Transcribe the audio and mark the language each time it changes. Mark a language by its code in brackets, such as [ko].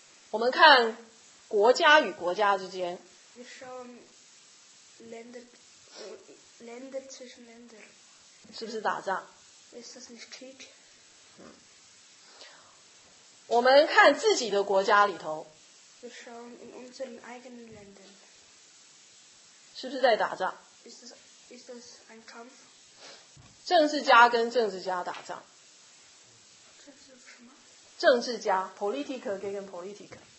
[zh] 我们看国家与国家之间。 [de] Wir schauen Länder zwischen Länder. [zh] 是不是打仗？ [de] Ist das nicht Krieg? [zh] 我们看自己的国家里头。 [de] Wir schauen in unseren eigenen Ländern. [zh] 是不是在打仗？ [de] Ist das ein Kampf? [zh] 政治家跟政治家打仗。政治什么？ [de] 政治家 ,Politiker gegen Politiker.